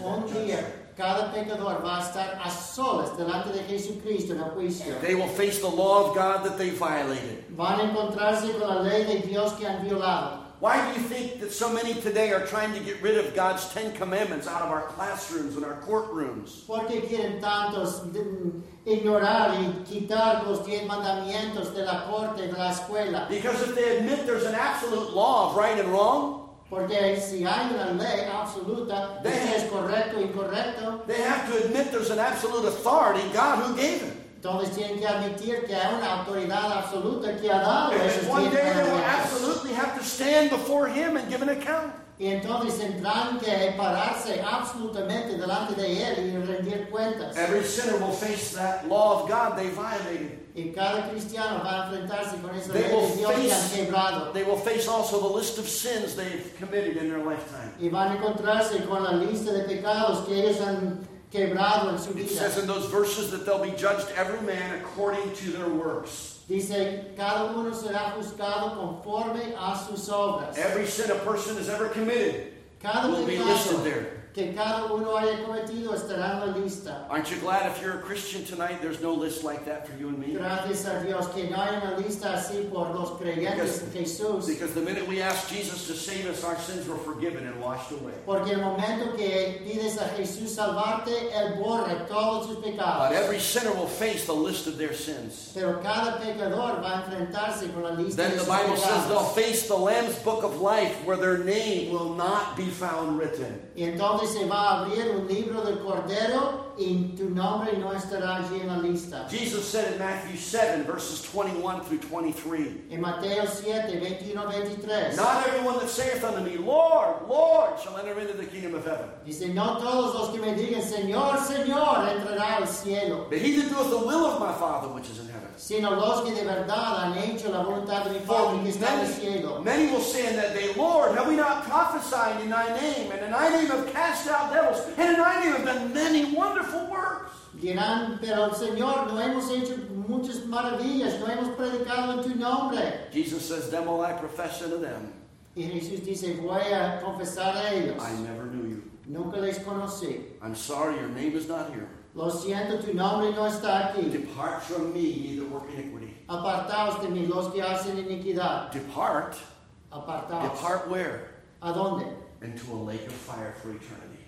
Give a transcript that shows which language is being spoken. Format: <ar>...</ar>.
<es>Un día, cada pecador va a estar a solas delante de Jesucristo en el juicio.</es> <en>They will face the law of God that they violated.</en> <es>Van a encontrarse con la ley de Dios que han violado.</es> <en>Why do you think that so many today are trying to get rid of God's Ten Commandments out of our classrooms and our courtrooms?</en> <es>¿Por qué quieren tantos ignorar y quitar los diez mandamientos de la corte, de la escuela?</es> <en>Because if they admit there's an absolute law of right and wrong,</en> <es>porque si hay una ley absoluta,</es> <en>then</en> <es>es correcto y incorrecto.</es> <en>They have to admit there's an absolute authority God who gave it.</en> <es>Entonces tienen que admitir que hay una autoridad absoluta que ha dado esos diez mandamientos.</es> <en>One day they will absolutely have to stand before him and give an account.</en> <es>Y entonces tendrán que pararse absolutamente delante de él y rendir cuentas.</es> <en>Every sinner will face that law of God they violated.</en> <es>Y cada cristiano va a enfrentarse con esa ley de Dios que han quebrado.</es> <en>They will face also the list of sins they've committed in their lifetime.</en> <es>Y van a encontrarse con la lista de pecados que ellos han quebrado en su vida.</es> <en>It says in those verses that they'll be judged every man according to their works.</en> <es>Dice, cada uno será juzgado conforme a sus obras.</es> <en>Every sin a person has ever committed</en> <es>cada</es> <en>will be listed there.</en> <es>que cada uno haya cometido estará en la lista.</es> <en>Aren't you glad if you're a Christian tonight, there's no list like that for you and me?</en> <es>Gracias a Dios que no hay una lista así por los creyentes en Jesús.</es> <en>Because the minute we ask Jesus to save us, our sins were forgiven and washed away.</en> <es>Porque el momento que pides a Jesús salvarte, él borra todos tus pecados.</es> <en>But every sinner will face the list of their sins.</en> <es>Pero cada pecador va a enfrentarse con la lista</es> <en>then</en> <es>de sus pecados.</es> <en>Then the Bible says they'll face the Lamb's Book of Life, where their name will not be found written.</en> <es>Y entonces se va a abrir un libro del Cordero y tu nombre no estará allí en la lista.</es> <en>Jesus said in Matthew 7, verses 21 through 23.</en> <es>En Mateo 7, 21-23.</es> <en>Not everyone that saith unto me, Lord, Lord, shall enter into the kingdom of heaven.</en> <es>Dice, no todos los que me digan, Señor, Señor, entrará al cielo.</es> <en>But he that doeth the will of my Father which is in heaven.</en> <es>Sino los que de verdad han hecho la voluntad de mi Padre que está en el cielo.</es> <en>Many will say in that day, Lord, have we not prophesied in thy name, and in thy name have cast out devils, and in thy name have done many wonderful works?</en> <es>Dirán, pero Señor, no hemos hecho muchas maravillas, no hemos predicado en tu nombre.</es> <en>Jesus says, them will I profess unto them.</en> <es>Y Jesús dice, voy a confesar a ellos.</es> <en>I never knew you.</en> <es>Nunca les conocí.</es> <en>I'm sorry, your name is not here.</en> <es>Lo siento, tu nombre no está aquí.</es> <en>Depart from me, ye that work iniquity.</en> <es>Apartaos de mí, los que hacen iniquidad.</es> <en>Depart.</en> <es>Apartaos.</es> <en>Depart where?</en> <es>¿A dónde?</es> <en>Into a lake of fire for eternity.</en>